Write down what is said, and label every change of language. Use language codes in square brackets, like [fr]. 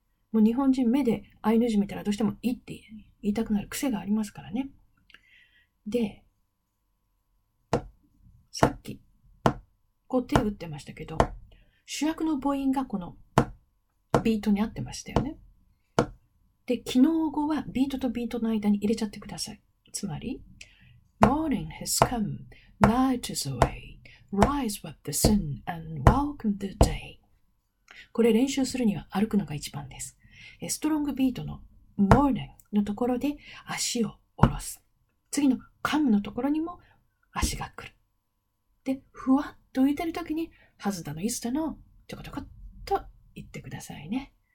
[ja] もう日本人目でアイヌ字見たらどうしてもいいって言いたくなる癖がありますからね。で、さっき、こう手を打ってましたけど、主役の母音がこのビートに合ってましたよね。で、機能語はビートとビートの間に入れちゃってください。つまり、 [en] Morning has come, night is away, rise with the sun and welcome the day. [ja] これ練習するには歩くのが一番です。ストロングビートの morning のところで足を下ろす。次の come のところにも足が来る。で、ふわっと浮いてるときに、はずだのいずだのちょこちょこっと言ってくださいね。